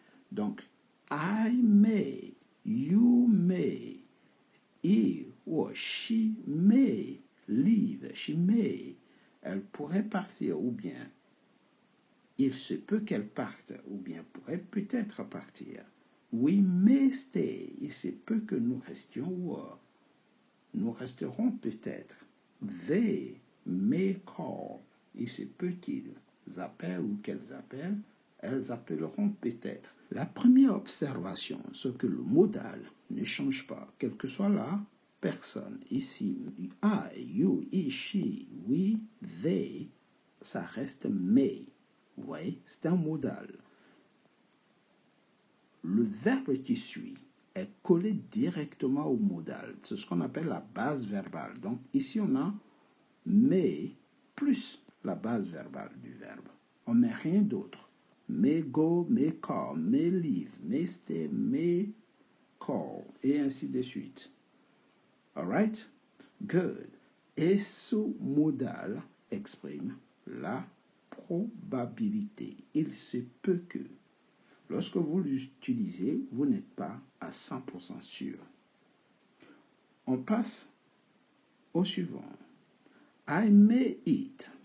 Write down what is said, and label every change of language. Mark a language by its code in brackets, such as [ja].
[en] Donc, I may, you may, he or she may leave, she may. [fr] Elle pourrait partir ou bien il se peut qu'elle parte ou bien pourrait peut-être partir. [en] We may stay. [fr] Il se peut que nous restions ou nous resterons peut-être. [en] They may call. [fr] Il se peut qu'ils appellent ou qu'elles appellent. Elles appelleront peut-être. La première observation, c'est que le modal ne change pas, quelle que soit la personne. Ici, I, you, he, she, we, they, ça reste may. Vous voyez, c'est un modal. Le verbe qui suit est collé directement au modal. C'est ce qu'on appelle la base verbale. Donc ici, on a may plus la base verbale du verbe. On met rien d'autre. [en] May go, may come, may leave, may stay, may call, et ainsi de suite. Alright? Good. [fr] Et ce modal exprime la probabilité. Il se peut que, lorsque vous l'utilisez, vous n'êtes pas à 100% sûr. On passe au suivant. [en] I may eat.